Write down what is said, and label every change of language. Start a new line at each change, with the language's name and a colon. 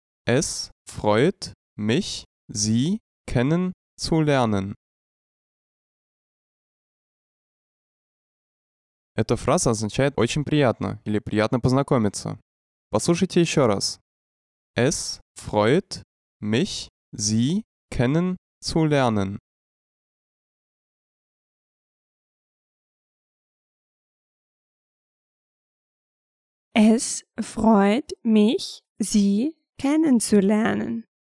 German: Es freut mich, Sie kennenzulernen.
Russian: Эта фраза означает «очень приятно» или «приятно познакомиться». Послушайте еще раз.
German: Es freut mich, Sie kennenzulernen. Es freut mich, Sie kennenzulernen.